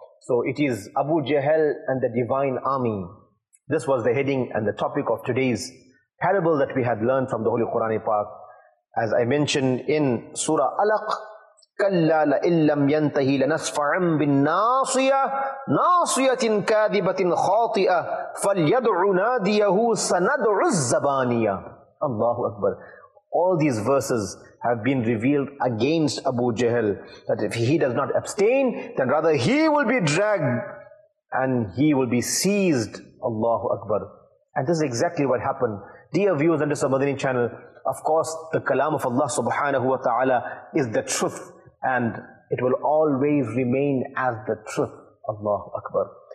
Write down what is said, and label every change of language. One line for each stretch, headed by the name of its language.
English: So it is Abu Jahl and the Divine Army. This was the heading and the topic of today's parable that we had learned from the Holy Quran Pak. As I mentioned in Surah Alaq,
Arabic: كَلَّا لَئِن لَّمْ يَنْتَهِ لَنَسْفَعًا بِالنَّاصِيَةِ نَاصِيَةٍ كَاذِبَةٍ خَاطِئَةٍ فَلْيَدْعُ نَادِيَهُ سَنَدْعُ الزَّبَانِيَةَ. الله اكبر.
English: All these verses have been revealed against Abu Jahl, that if he does not abstain, then rather he will be dragged and he will be seized. Allahu Akbar. And this is exactly what happened. Dear viewers on this Madani channel, of course the kalam of Allah subhanahu wa ta'ala is the truth, and it will always remain as the truth. Allahu Akbar.